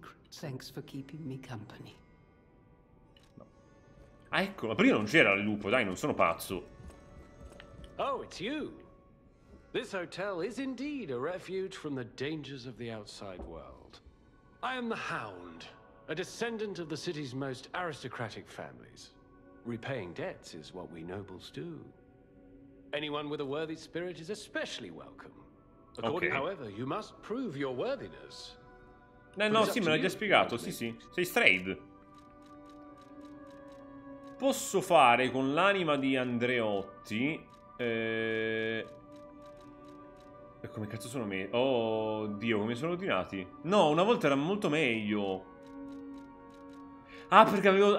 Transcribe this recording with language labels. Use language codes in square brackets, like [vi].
[en] Thanks for keeping me company. [it] Ah, ecco, ma prima non c'era il lupo, dai, non sono pazzo. [en] Oh, it's you. This hotel is indeed a refuge from the dangers of the outside world. I am the Hound, a descendant of the city's most aristocratic families. Repaying debts is what we nobles do. Anyone with a worthy spirit is especially welcome. According, okay. However, you must prove your worthiness. [it] No, sì, me l'ha già spiegato. Sì, sì. Sei Strayed. Posso fare con l'anima di Andreotti. Come cazzo sono me? Oh Dio, come sono ordinati? No, una volta era molto meglio. Ah, perché avevo...